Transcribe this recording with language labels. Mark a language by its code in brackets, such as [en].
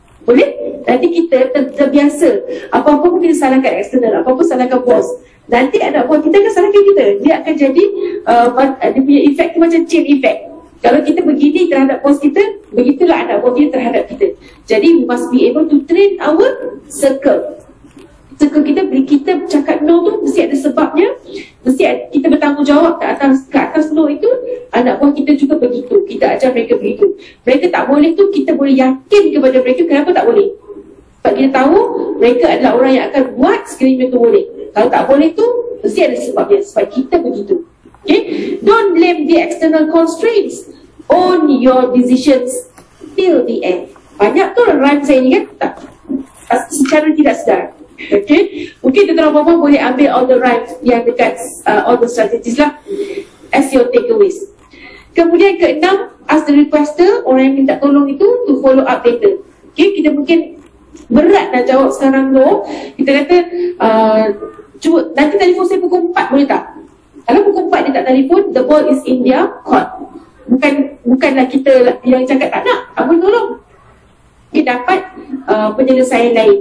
[ms] Boleh? Nanti kita terbiasa. Apa-apa pun kita salahkan external, apa-apa salahkan bos. Nanti anak buah kita akan salahkan kita. Dia akan jadi, dia punya efek tu macam chain effect. Kalau kita begini terhadap bos kita, begitulah anak bos kita terhadap kita. [en] Jadi, we must be able to train our circle. [ms] Circle kita, bila kita cakap no tu, mesti ada sebabnya. Mesti kita bertanggungjawab ke atas no itu, anak bos kita juga begitu. Kita ajar mereka begitu. Mereka tak boleh tu, kita boleh yakin kepada mereka, kenapa tak boleh? Sebab kita tahu, mereka adalah orang yang akan buat sekiranya mereka boleh. Kalau tak boleh tu, mesti ada sebabnya. Sebab kita begitu. [en] Okay, don't blame the external constraints. Own your decisions till the end. [ms] Banyak tu rhyme saya ni kan? Tak. Secara tidak sedar. [en] Okay, [ms] mungkin tuan-tuan puan-puan boleh ambil [en] all the rhymes [ms] yang dekat [en] all the strategies lah as your takeaways. [ms] Kemudian keenam, [en] ask the requester, [ms] orang yang minta tolong itu, [en] to follow up later. [ms] Okay, kita mungkin berat nak jawab sekarang tu. Kita kata, cuba nanti telefon saya pukul 4 boleh tak? Kalau pukul 4 dia tak telefon, [en] the ball is in their court. [ms] Bukanlah kita yang cakap tak nak, tak boleh tolong. Mungkin dapat penyelesaian lain.